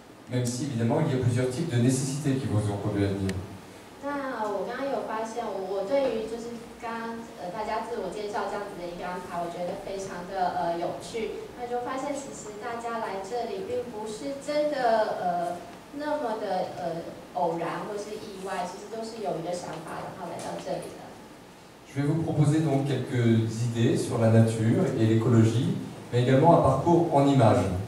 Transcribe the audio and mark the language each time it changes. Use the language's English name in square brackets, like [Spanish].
[French] Même si évidemment il y a plusieurs types de nécessités qui vous ont conduit à venir. [Chinese] 那我刚刚有发现，我对于就是刚大家自我介绍这样子的一个安排，我觉得非常的有趣。那就发现其实大家来这里并不是真的那么的偶然或是意外，其实都是有一个想法然后来到这里的。 [French] Je vais vous proposer donc quelques idées sur la nature et l'écologie, mais également un parcours en images.